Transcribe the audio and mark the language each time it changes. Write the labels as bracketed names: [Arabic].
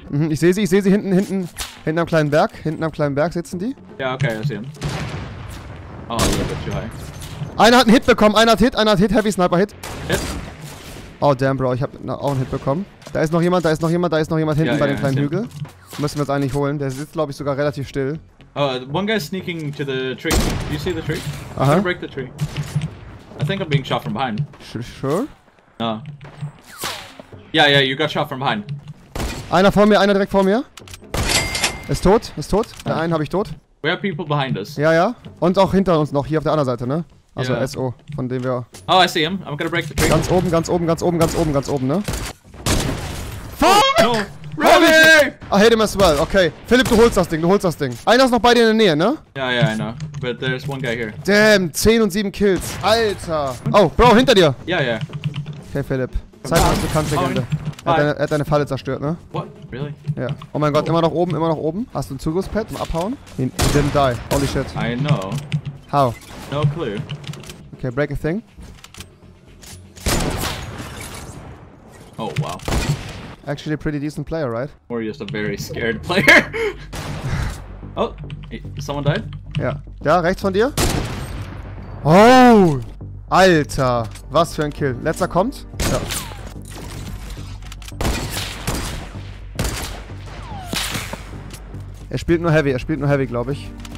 [German] Mhm, ich sehe sie hinten am kleinen Berg. Hinten am kleinen Berg sitzen die. [English] Yeah, okay, I see him. Oh, a little bit too high. [German] Einer hat einen Hit bekommen, [English] heavy sniper hit. Hit. Oh damn, bro, [German] ich habe auch einen Hit bekommen. Da ist noch jemand hinten bei dem kleinen Hügel. Müssen wir uns eigentlich holen. Der sitzt, glaube ich, sogar relativ still. [English] Oh, one guy is sneaking to the tree. Do you see the tree? Aha. I'm gonna break the tree. I think I'm being shot from behind. Sure? No. Yeah, you got shot from behind. [German] Einer direkt vor mir. Ist tot. Okay. Einen habe ich tot. [English] We have people behind us. [German] Ja. Und auch hinter uns noch, hier auf der anderen Seite, ne? Also yeah. SO, von dem wir... [English] Oh, I see him. I'm gonna break the tree. [German] Ganz oben, ne? [English] Fuck! No! Robbie! I hate him as well. Okay. Philipp, [German] du holst das Ding. Einer ist noch bei dir in der Nähe, ne? [English] Yeah, I know. But there's one guy here. [German] Damn, 10 und 7 Kills. Alter! Oh, Bro, hinter dir! [English] Yeah. [German] Okay, Philipp. Zeig mal, was du kannst, Legende. Er hat deine Falle zerstört, ne? [English] What? Really? [German] Ja. Yeah. Oh mein Gott, immer noch oben. Hast du ein Zugriffspad zum Abhauen? [English] He didn't die. Holy shit. I know. How? No clue. Okay, break a thing. Oh, wow. Actually a pretty decent player, right? Or just a very scared player. Oh, hey, someone died? [German] Yeah. Ja, rechts von dir. Oh! Alter, was für ein Kill. Letzter kommt. Ja. Er spielt nur Heavy, glaube ich.